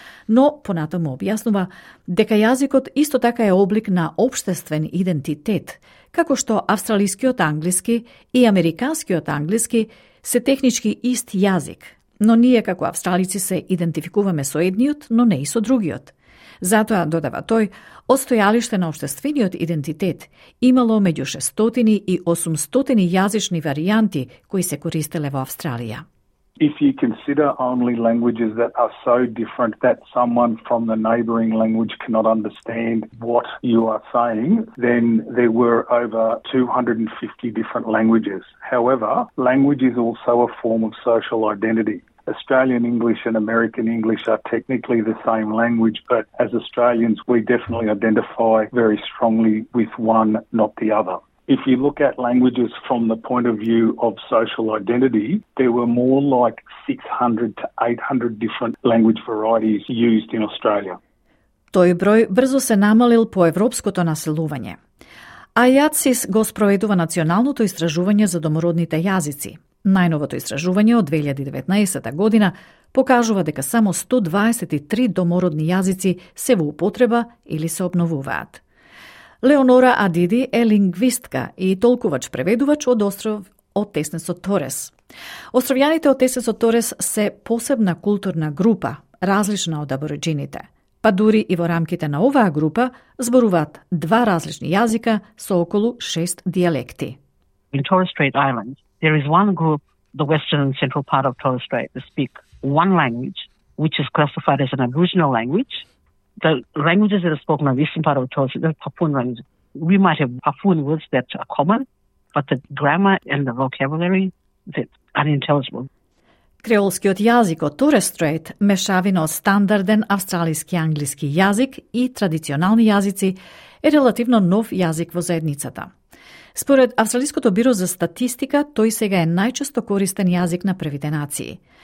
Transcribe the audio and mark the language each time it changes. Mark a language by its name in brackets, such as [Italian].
[Macedonian] Но, понатаму објаснува, дека јазикот исто така е облик на обштествен идентитет, како што австралискиот англиски и американскиот англиски се технички ист јазик, но ние како австралици се идентификуваме со едниот, но не и со другиот. Затоа, додава тој, одстојалиште на обштествениот идентитет имало меѓу 600 и 800 јазични варијанти кои се користеле во Австралија. [English] If you consider only languages that are so different that someone from the neighboring language cannot understand what you are saying, then there were over 250 different languages. However, language is also a form of social identity. Australian English and American English are technically the same language, but as Australians, we definitely identify very strongly with one, not the other. If you look at languages from the point of view of social identity, there were more like 600 to 800 different language varieties used in Australia. [Macedonian] Тој број брзо се намалил по европското населување. IEATSIS го спроведува националното истражување за домородните јазици. Најновото истражување од 2019 година покажува дека само 123 домородни јазици се во употреба или се обновуваат. Леонора Адиди е лингвистка и толкувач-преведувач од остров од Тесенцот Торес. Островјаните од Тесенцот Торес се посебна културна група, различна од абориджините. Па дури и во рамките на оваа група зборуваат два различни јазика со околу 6 диалекти. [English] In Torres Strait Islands, there is one group, the western and central part of Torres Strait, that speak one language, which is classified as an Aboriginal language. The languages that are spoken on the eastern part of Torres Strait, the Papuan language, we might have Papuan words that are common, but the grammar and the vocabulary that are unintelligible. [Macedonian] Креолскиот јазик од Torres Strait, мешавина од стандарден австралиски англиски јазик и традиционални јазици, е релативно нов јазик во заедницата. Според Австралиското биро за статистика, тој сега е најчесто користен јазик на првите нации.